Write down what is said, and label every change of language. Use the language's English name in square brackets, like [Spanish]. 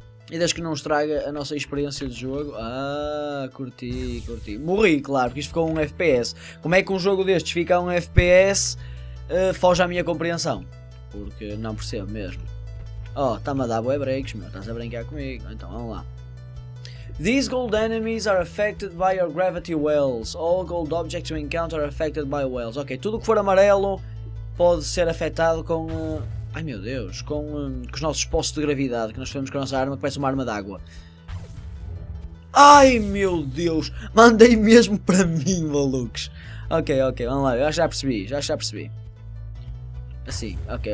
[Portuguese] E desde que não estraga a nossa experiência de jogo. Ah, curti. Morri, claro, porque isto ficou um FPS. Como é que um jogo destes fica a um FPS? Foge à minha compreensão. Porque não percebo mesmo. Oh, está-me a dar bué breaks, meu. Estás a brincar comigo. Então, vamos lá. [English] These gold enemies are affected by your gravity wells. All gold objects you encounter are affected by wells. [Portuguese] Ok, tudo que for amarelo pode ser afetado com... Ai meu Deus, com os nossos poços de gravidade que nós temos com a nossa arma, que parece uma arma d'água. Ai meu Deus, mandei mesmo para mim, malucos. Ok, vamos lá, eu acho que já percebi, Assim, ok.